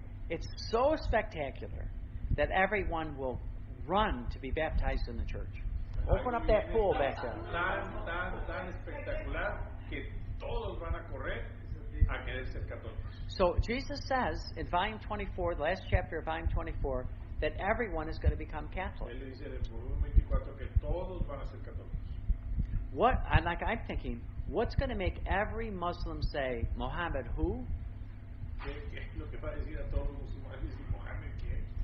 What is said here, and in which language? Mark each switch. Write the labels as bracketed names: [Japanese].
[English] It's so spectacular that everyone will run to be baptized in the church. Open up that pool back there. [Spanish] Tan espectacular que todos van a correr a querer ser católicos. [English] So Jesus says in volume 24, the last chapter of volume 24, that everyone is going to become Catholic. [Spanish] Él dice en el volumen 24 que todos van a ser católicos. [English] What, and like I'm thinking, what's going to make every Muslim say, Mohammed who? [Spanish] ¿Qué lo que va a decir a todos los musulmanes y Mohammed quién?